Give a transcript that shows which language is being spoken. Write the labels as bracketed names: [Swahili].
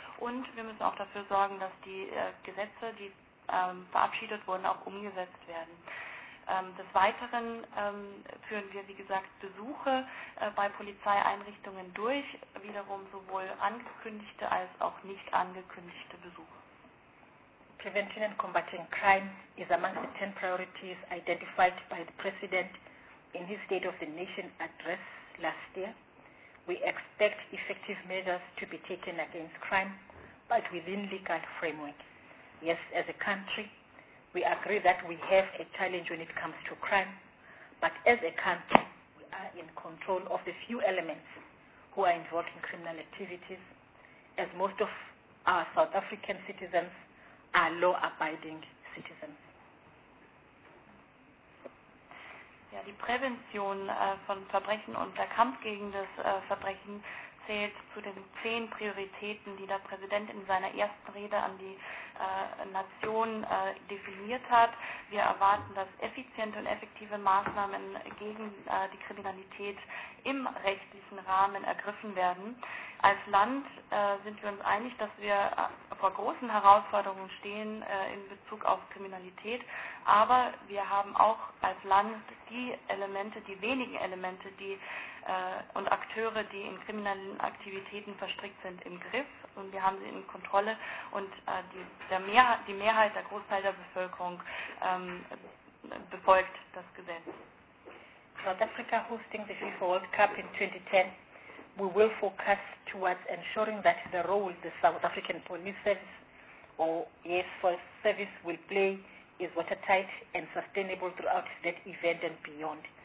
[German] Und wir müssen auch dafür sorgen, dass die Gesetze, die verabschiedet wurden, auch umgesetzt werden. Des Weiteren führen wir, wie gesagt, Besuche bei Polizeieinrichtungen durch, wiederum sowohl angekündigte als auch nicht angekündigte Besuche. [English] Prevention and combating crime is amongst the 10 priorities identified by the President in his State of the Nation address last year. We expect effective measures to be taken against crime, but within legal framework. Yes, as a country, we agree that we have a challenge when it comes to crime, but as a country, we are in control of the few elements who are involved in criminal activities, as most of our South African citizens are law-abiding citizens. [German] Ja, die Prävention von Verbrechen und der Kampf gegen das Verbrechen zählt zu den 10 Prioritäten, die der Präsident in seiner ersten Rede an die Nation definiert hat. Wir erwarten, dass effiziente und effektive Maßnahmen gegen die Kriminalität im rechtlichen Rahmen ergriffen werden. Als Land sind wir uns einig, dass wir vor großen Herausforderungen stehen in Bezug auf Kriminalität, aber wir haben auch als Land die wenigen Elemente und Akteure, die in kriminellen Aktivitäten verstrickt sind, im Griff und wir haben sie in Kontrolle und die Großteil der Bevölkerung befolgt das Gesetz. [English] South Africa hosting the FIFA World Cup in 2010, we will focus towards ensuring that the role the South African Police Service or yes, Force Service will play is watertight and sustainable throughout that event and beyond.